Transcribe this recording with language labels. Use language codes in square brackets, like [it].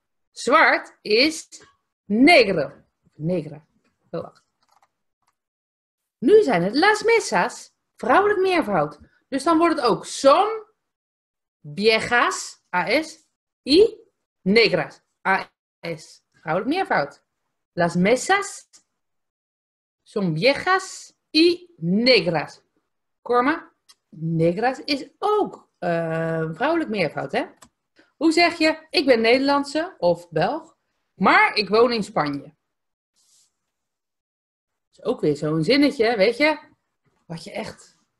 [nl] Zwart is [es] negro. Negra. [nl] Oh, wacht. Nu zijn het [es] las mesas. [nl] Vrouwelijk meervoud. Dus dan wordt het ook [es] son viejas. [nl] A-S. [es] Y negras. [nl] A-S. Vrouwelijk meervoud. [es] Las mesas son viejas y negras. [nl] Corma, negras is ook vrouwelijk meervoud, hè? Hoe zeg je, ik ben Nederlandse of Belg, maar ik woon in Spanje? Dat is ook weer zo'n zinnetje, weet je? Wat je echt...